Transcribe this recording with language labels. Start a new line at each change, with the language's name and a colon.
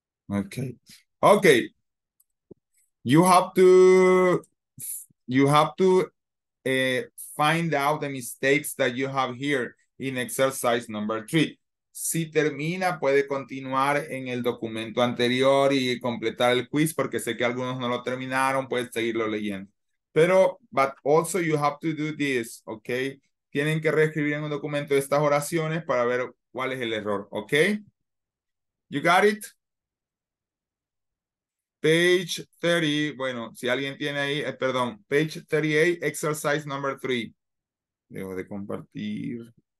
English: Okay. Okay. You have to find out the mistakes that you have here. In exercise number 3.
Spanish: Si termina, puede continuar en el documento anterior y completar el quiz, porque sé que algunos no lo terminaron, puedes seguirlo leyendo.
English: But also you have to do this, okay?
Spanish: Tienen que reescribir en un documento estas oraciones para ver cuál es el error, okay?
English: You got it? Page 30,
Spanish: bueno, si alguien tiene ahí,
English: page 38, exercise number 3.
Spanish: Dejo de compartir.